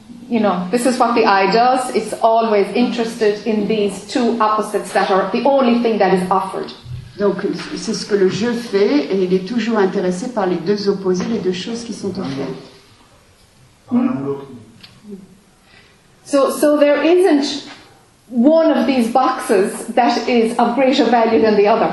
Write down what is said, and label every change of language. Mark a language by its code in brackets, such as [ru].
[en] You know, this is what the eye does. It's always interested in these two opposites that are the only thing that is offered. [fr] Donc, c'est ce que le jeu fait, et il est toujours intéressé par les deux opposés, les deux choses qui sont offertes. [en] So there isn't one of these boxes that is of greater value than the other.